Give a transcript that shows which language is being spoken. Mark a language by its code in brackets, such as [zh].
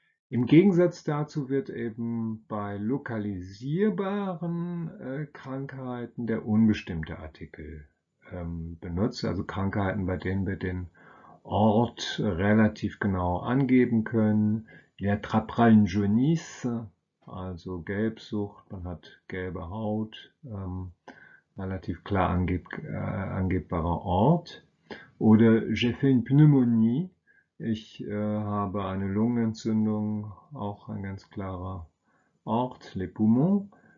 [de] Im Gegensatz dazu wird eben bei lokalisierbaren Krankheiten der unbestimmte Artikel benutzt, also Krankheiten, bei denen wir den Ort relativ genau angeben können. [fr] Il attrapera une jaunisse. [de] Also Gelbsucht, man hat gelbe Haut, relativ klar angebbarer Ort. Oder [fr] j'ai fait une pneumonie, [de] ich habe eine Lungenentzündung, auch ein ganz klarer Ort, [fr] les poumons.